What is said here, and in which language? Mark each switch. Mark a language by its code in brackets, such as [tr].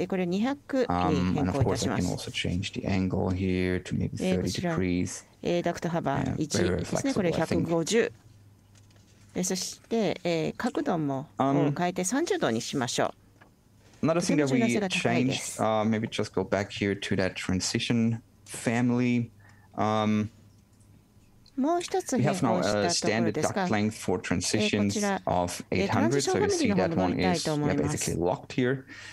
[ja] これを200に変更いたします。 [en] And of course, I can also change the angle here to maybe 30 degrees. [ja] ダクト幅1ですね、これ150。そして角度も変えて30度にしましょう。 [en] Another thing that we changed, maybe just go back here to that transition family. [ja] もう一つ変更したところですか。こちら、 [en] 800, so you see that one is basically locked here.